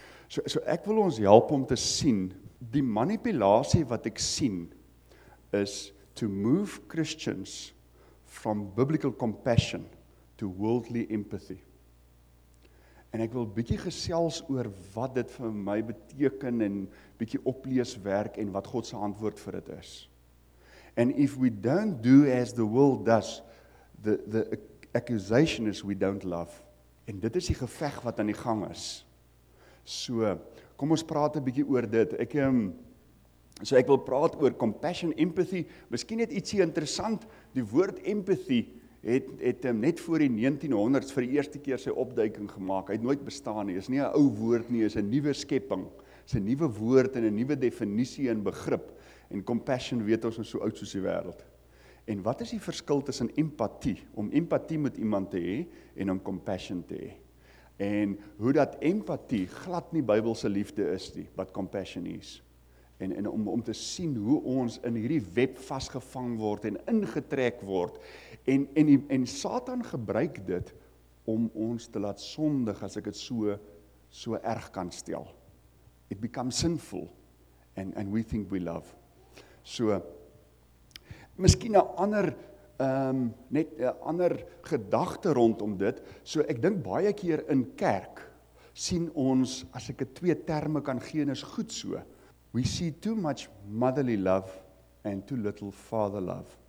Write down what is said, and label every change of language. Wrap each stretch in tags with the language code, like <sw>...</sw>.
<af>So ek wil ons help om te sien, die manipulasie wat ek sien is</af> <en>to move Christians from biblical compassion to worldly empathy.</en> <af>En ek wil bietjie gesels oor wat dit vir my beteken en bietjie opleeswerk en wat God se antwoord vir dit is.</af> <en>And if we don't do as the world does, the accusation is we don't love.</en> <af>En dit is die geveg wat aan die gang is. So, kom ons praat 'n bietjie oor dit. Ek wil praat oor compassion, empathy. Miskien net ietsie interessant. Die woord empathy het net voor die 1900s vir die eerste keer sy opduiking gemaak. Hy het nooit bestaan nie. Is nie 'n ou woord nie, is 'n nuwe skepping. Is 'n nuwe woord en 'n nuwe definisie en begrip. En compassion, weet ons, is so oud soos die wêreld. En wat is die verskil tussen empatie, om empatie met iemand te hê, en om compassion te hê? En hoe dat empatie glad nie Bybelse liefde is nie, wat compassion is. En om te sien hoe ons in hierdie web vasgevang word en ingetrek word. En Satan gebruik dit om ons te laat sondig, as ek dit so erg kan stel.</af> <en>It becomes sinful and we think we love.</en> <af>So, miskien 'n ander net 'n ander gedagte rondom dit. So ek dink baie keer in kerk sien ons, as ek 'n twee terme kan gee, is goed so.</af> <en>We see too much motherly love and too little father love.</en>